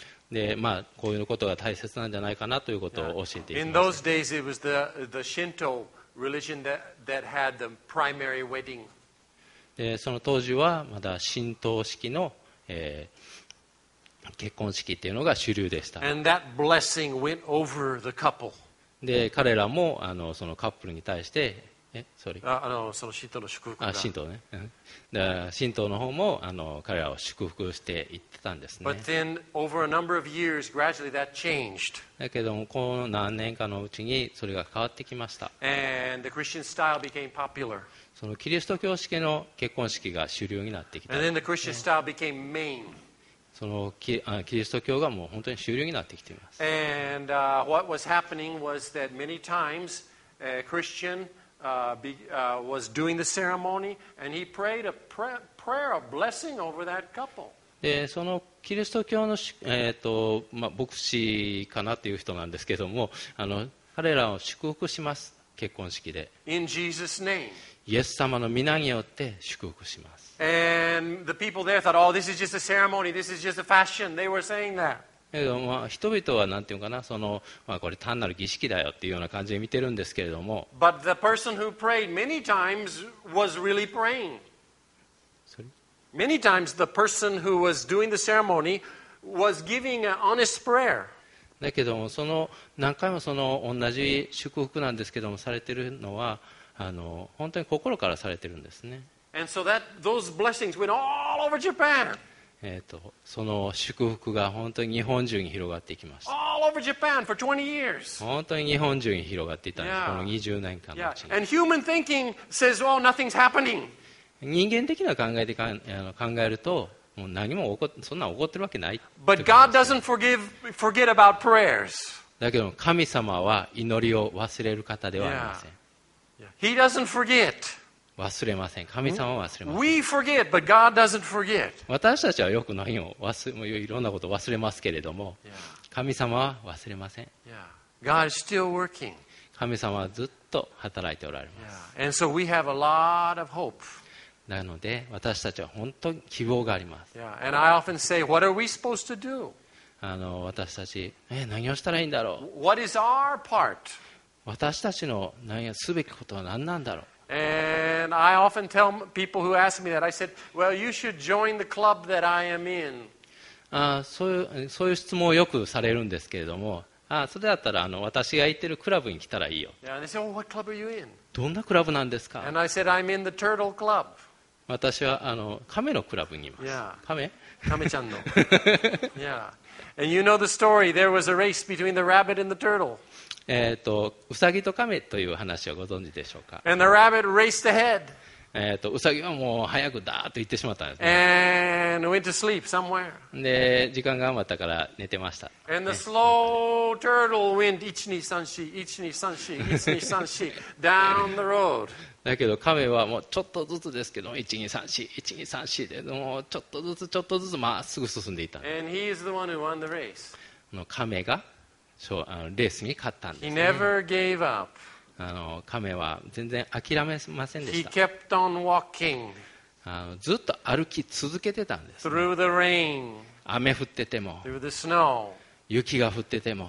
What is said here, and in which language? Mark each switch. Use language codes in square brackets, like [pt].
[ja] で、まあ、こういうことが大切なんじゃないかなということを教えていました。 [en] In those days it was the Shinto religion that had the primary wedding. [ja] で、その当時はまだ神道式の、結婚式というのが主流でした。 [en] And that blessing went over the couple. [ja] で、彼らもそのカップルに対して、その神道の祝福が、神道ね、神道の方も彼らを祝福していってたんですね。 [en] But then, over a number of years, gradually that changed. [ja] だけどもこの何年かのうちにそれが変わってきました。 [en] And the Christian style became popular. [ja] そのキリスト教式の結婚式が主流になってきた。 [en] And then the Christian style became main. [ja] そのキリスト教がもう本当に主流になってきています。 [en] And, what was happening was that many times a Christian was doing the ceremony and he prayed a prayer of blessing over that couple. [ja] で、そのキリスト教の、牧師かなという人なんですけども、彼らを祝福します、結婚式で。 [en] In Jesus' name. [ja] イエス様の名によって祝福します。 [en] And the people there thought, "Oh, this is just a ceremony. This is just a fashion." They were saying that. [ja] でも、まあ、人々はなんていうかな、これ単なる儀式だよっていうような感じで見てるんですけれども。 [en] But the person who prayed many times was really praying. Sorry? Many times the person who was doing the ceremony was giving an honest prayer. [ja] だけども、その何回もその同じ祝福なんですけども、されてるのは本当に心からされてるんですね。 [en] And so that, those blessings went all over Japan. [ja] その祝福が本当に日本中に広がっていきました。 [en] All over Japan for 20 years. [ja] 本当に日本中に広がっていたんです、この20年間のうちに。 [en] And human thinking says, "Oh, nothing's happening." [ja] 人間的な考えで考えると、もう何も起こ、そんな起こってるわけない。 [en] But God doesn't forget about prayers. [ja] だけど神様は祈りを忘れる方ではありません。 [en] He doesn't forget. [ja] 忘れません。神様は忘れません。 [en] We forget, but God doesn't forget. [ja] 私たちはよく何を忘れ、いろんなことを忘れますけれども、神様は忘れません。 [en] God is still working. [ja] 神様はずっと働いておられます。 [en] And so we have a lot of hope. [ja] なので私たちは本当に希望があります。 [en] And I often say, what are we supposed to do? [ja] 私たち、何をしたらいいんだろう。 [en] What is our part? [ja] 私たちの何をすべきことは何なんだろう。 [en] And I often tell people who ask me that, I said, "Well, you should join the club that I am in." [ja] そういう質問をよくされるんですけれども、それだったら私が行ってるクラブに来たらいいよ。 [en] Yeah, they said, "Oh, what club are you in?" [ja] どんなクラブなんですか。 [en] And I said, "I'm in the turtle club." [ja] 私はカメのクラブにいます。 [en] Yeah. [ja] カメちゃんの。 [en] Yeah. And you know the story. There was a race between the rabbit and the turtle. [ja] ウサギとカメという話はご存知でしょうか。 [en] And the rabbit raced ahead. [ja] ウサギはもう早くダーッと行ってしまったんですね。 [en] And went to sleep somewhere. [ja] で、時間が余ったから寝てました。 [en] And the slow turtle went 1,2,3,4 down the road. [ja] だけどカメはもうちょっとずつですけど 1,2,3,4 でもうちょっとずつまっすぐ進んでいた。 [en] And he is the one who won the race. [ja] カメがレースに勝ったんですね。 [en] He never gave up. [ja] カメは全然諦めませんでした。 [en] He kept on walking. [ja] ずっと歩き続けてたんです、ね。 [en] Through the rain. [ja] 雨降ってても。 [en] Through the snow. [ja] 雪が降ってても。